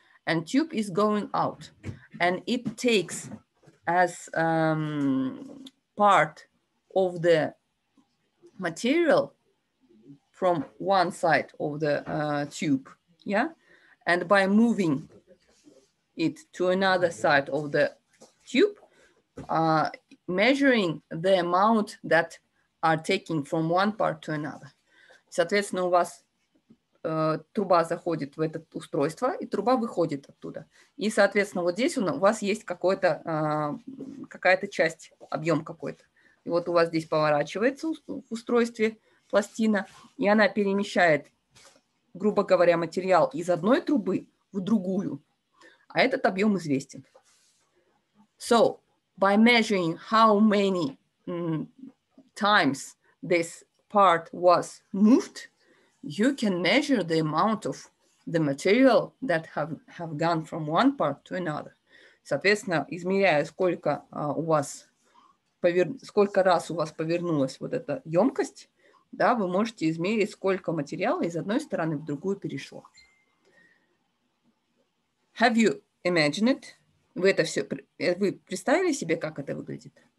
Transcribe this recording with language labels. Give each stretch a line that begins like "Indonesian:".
English: And tube is going out. And it takes as part of the material from one side of the tube, yeah? And by moving it to another side of the tube, measuring the amount that are taking from one part to another.
Russian: Соответственно, у вас труба заходит в это устройство, и труба выходит оттуда. И, соответственно, вот здесь у вас есть какой-то какая-то часть, объем какой-то. И вот у вас здесь поворачивается в устройстве пластина, и она перемещает, грубо говоря, материал из одной трубы в другую. А этот объем известен.
English: So, by measuring how many times this part was moved, you can measure the amount of the material that have gone from one part to another.
Russian: Соответственно, измеряя, сколько у вас сколько раз у вас повернулась вот эта емкость, да, вы можете измерить, сколько материала из одной стороны в другую перешло.
English: Have you imagine it?
Russian: Вы это все, вы представили себе, как это выглядит?